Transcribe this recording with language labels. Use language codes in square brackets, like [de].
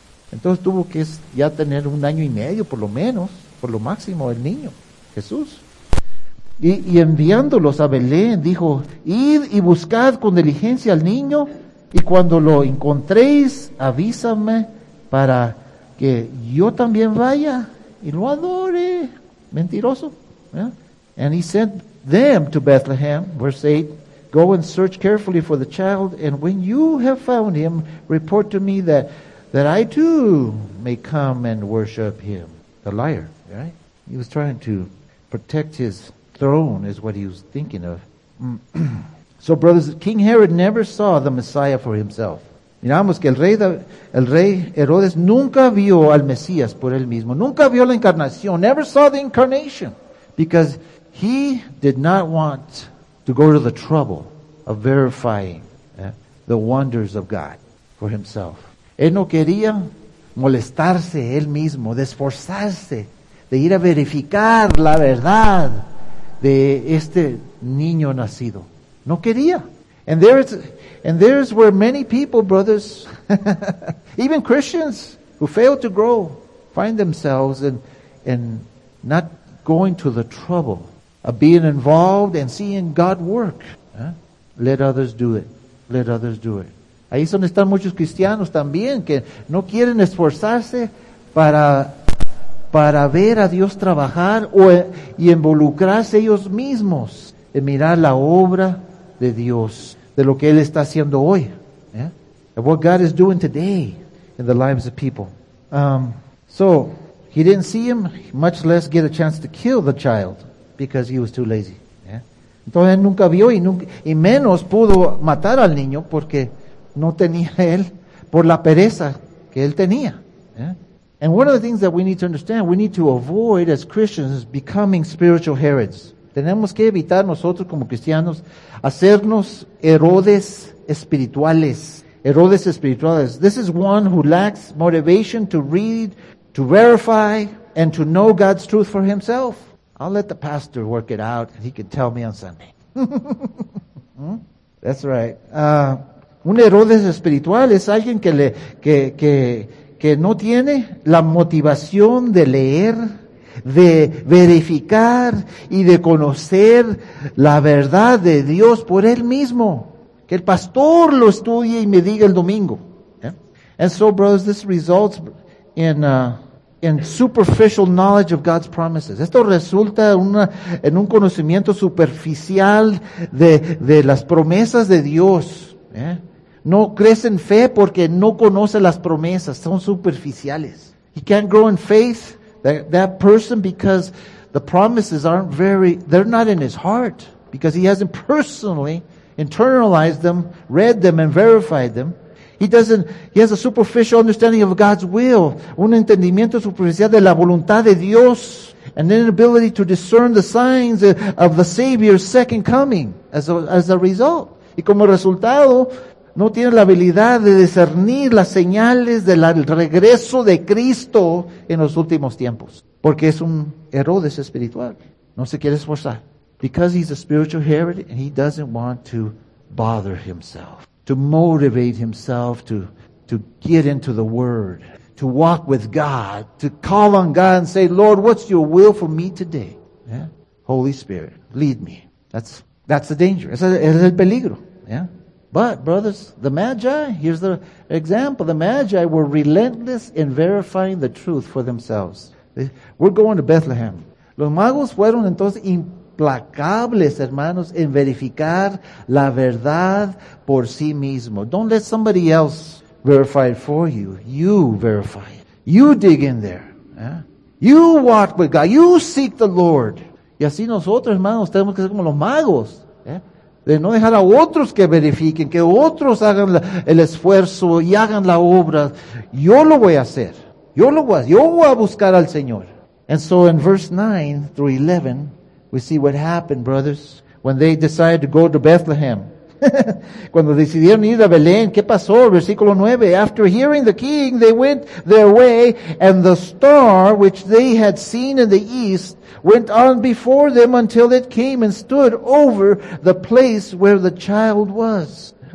[es] Entonces tuvo que ya tener un año y medio, por lo menos, por lo máximo, el niño, Jesús. Y enviándolos a Belén, dijo, id y buscad con diligencia al niño, y cuando lo encontréis, avísame para que yo también vaya y lo adore. Mentiroso. [en] Yeah. And he sent them to Bethlehem, verse 8, go and search carefully for the child, and when you have found him, report to me that I too may come and worship him. The liar, right? He was trying to protect his throne is what he was thinking of. So brothers, King Herod never saw the Messiah for himself. [es] Miramos que el rey Herodes nunca vio al Mesías por él mismo, nunca vio la encarnación, [en] never saw the incarnation, because he did not want to go to the trouble of verifying the wonders of God for himself. [es] Él no quería molestarse él mismo, de esforzarse, de ir a verificar la verdad de este niño nacido. No quería. [en] And there's where many people, brothers, even Christians who fail to grow, find themselves in not going to the trouble of being involved and seeing God work. Let others do it. Let others do it. [es] Ahí es donde están muchos cristianos también que no quieren esforzarse para ver a Dios trabajar y involucrarse ellos mismos en mirar la obra de Dios, de lo que Él está haciendo hoy. [en] And what God is doing today in the lives of people. So, he didn't see him, much less get a chance to kill the child because he was too lazy. [es] Entonces, él nunca vio y menos pudo matar al niño porque no tenía él, por la pereza que él tenía. [en] And one of the things that we need to understand, we need to avoid as Christians becoming spiritual Herods. [es] Tenemos que evitar nosotros como cristianos hacernos Herodes espirituales. Herodes espirituales. [en] This is one who lacks motivation to read, to verify, and to know God's truth for himself. I'll let the pastor work it out, and he can tell me on Sunday. That's right. [es] Un Herodes espiritual es alguien que no tiene la motivación de leer, de verificar y de conocer la verdad de Dios por él mismo. Que el pastor lo estudie y me diga el domingo. [en] And so, brothers, this results in superficial knowledge of God's promises. [es] Esto resulta en un conocimiento superficial de las promesas de Dios. No crece en fe porque no conoce las promesas. Son superficiales. [en] He can't grow in faith, that person, because the promises aren't very, they're not in his heart, because he hasn't personally internalized them, read them, and verified them. He has a superficial understanding of God's will, [es] un entendimiento superficial de la voluntad de Dios, [en] and an inability to discern the signs of the Savior's second coming as a result. [es] Y como resultado, no tiene la habilidad de discernir las señales del regreso de Cristo en los últimos tiempos. Porque es un Herodes espiritual. No se quiere esforzar. [en] Because he's a spiritual Herod and he doesn't want to bother himself. To motivate himself to get into the Word. To walk with God. To call on God and say, Lord, what's your will for me today? Yeah? Holy Spirit, lead me. That's the danger. [es] Es el peligro. [en] Yeah? But, brothers, the Magi, here's the example. The Magi were relentless in verifying the truth for themselves. We're going to Bethlehem. [es] Los magos fueron entonces implacables, hermanos, en verificar la verdad por sí mismo. [en] Don't let somebody else verify it for you. You verify it. You dig in there. You walk with God. You seek the Lord. [es] Y así nosotros, hermanos, tenemos que ser como los magos. De no dejar a otros que verifiquen, que otros hagan el esfuerzo y hagan la obra. Yo lo voy a hacer. Yo voy a buscar al Señor. [en] And so in verse 9 through 11, we see what happened, brothers, when they decided to go to Bethlehem. [es] Cuando decidieron ir a Belén, ¿qué pasó? Versículo 9. [en] After hearing the king, they went their way, and the star which they had seen in the east went on before them until it came and stood over the place where the child was.